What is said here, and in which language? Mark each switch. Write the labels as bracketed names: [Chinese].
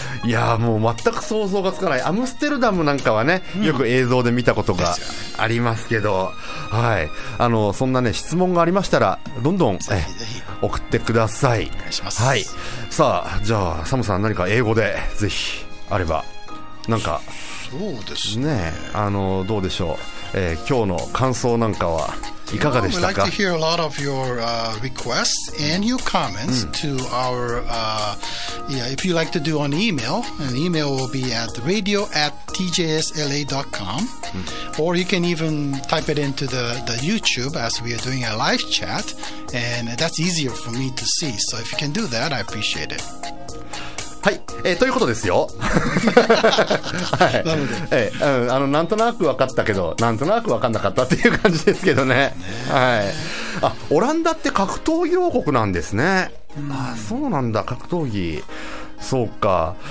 [Japanese] いやもう全く想像がつかない。アムステルダムなんかはね、よく映像で見たことがありますけど、はい、そんなね、質問がありましたらどんどん、ぜひぜひ送ってください。お願いします、はい、さあじゃあサムさん何か英語でぜひあればなんか、そうですね、あのどうでしょう、今日の感想なんかはいかがでしたか。 [English] We'd like to hear a lot of your requests and your comments、うん、to our、yeah, if you'd like to do an email, an email will be at radio@tjsla.com、うん、or you can even type it into the YouTube as we are doing a live chat and that's easier for me to see. So if you can do that, I appreciate it. [Japanese] はい、ということですよ。はい、なので、あのなんとなく分かったけど、なんとなく分かんなかったっていう感じですけどね。はい。あ、オランダって格闘技王国なんですね。あ、そうなんだ、格闘技。そうか。